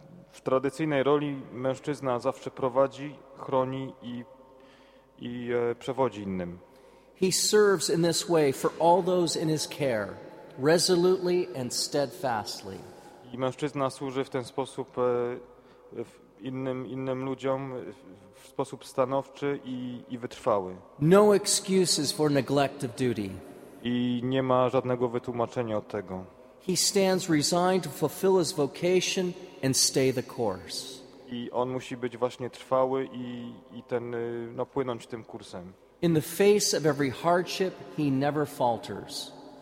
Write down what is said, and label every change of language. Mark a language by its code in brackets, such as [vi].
[pl] W tradycyjnej roli mężczyzna zawsze prowadzi, chroni i przewodzi innym. [en] He serves in this way for all those in his care, resolutely and steadfastly. [pl] I mężczyzna służy w ten sposób innym ludziom w sposób stanowczy i wytrwały. [en] No excuses for neglect of duty. [pl] I nie ma żadnego wytłumaczenia od tego. [en] He stands resigned to fulfill his vocation and stay the course. [pl] I on musi być właśnie trwały i płynąć tym kursem. [en] In the face of every hardship, he never falters.